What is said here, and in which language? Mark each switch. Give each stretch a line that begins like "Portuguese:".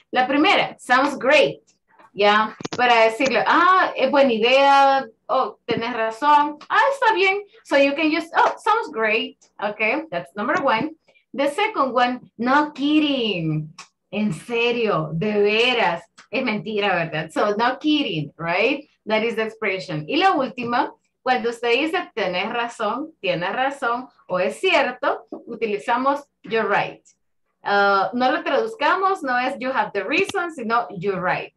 Spanish: La primera,
English: sounds great,
Spanish: yeah, para decirle, es buena idea, tenés razón, está bien.
English: So you can use, sounds great, okay, that's number one. The second one, no kidding,
Spanish: en serio, de veras, es mentira, ¿verdad?
English: So no kidding, right? That is the expression.
Spanish: Y la última, cuando usted dice, tienes razón, o es cierto, utilizamos,
English: you're right.
Spanish: No lo traduzcamos, no es,
English: you have the reason,
Spanish: sino,
English: you're right.